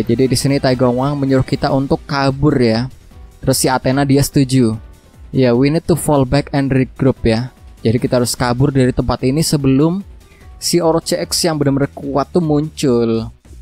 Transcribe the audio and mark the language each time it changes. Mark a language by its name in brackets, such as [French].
[Indonesian] Jadi di sini Tai Gong Wang menyuruh kita untuk kabur ya. Terus si Athena dia setuju. [English] Ya, yeah, we need to fall back and regroup ya. [Indonesian] Jadi kita harus kabur dari tempat ini sebelum si Orochi X yang benar-benar kuat tuh muncul.